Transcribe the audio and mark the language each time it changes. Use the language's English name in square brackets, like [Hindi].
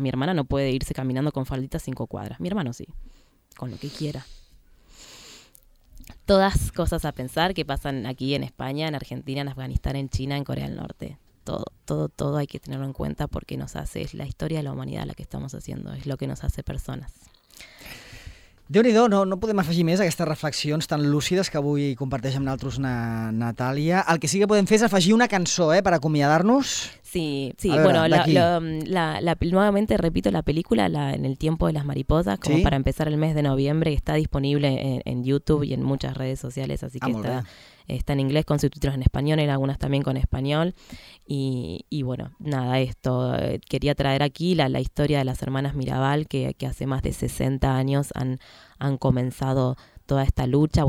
[Spanish] Mi hermana no puede irse caminando con falditas 5 cuadras. Mi hermano sí, con lo que quiera. Todas cosas a pensar que pasan aquí en España, en Argentina, en Afganistán, en China, en Corea del Norte. Todo hay que tenerlo en cuenta, porque nos hace, es la historia de la humanidad la que estamos haciendo. Es lo que nos hace personas. [Catalan] Déu-n'hi-do, no podem afegir més a aquestes reflexions tan lúcides que avui comparteix amb nosaltres Natàlia. El que sí que podem fer és afegir una cançó, per acomiadar-nos. [Spanish] Sí, veure, bueno, nuevamente repito la película, En el tiempo de las mariposas, como ¿sí? para empezar el mes de noviembre, está disponible en YouTube y en muchas redes sociales, así que está en inglés con subtítulos en español, en algunas también con español, y bueno, nada, esto, quería traer aquí la historia de las hermanas Mirabal, que hace más de 60 años han comenzado toda esta lucha.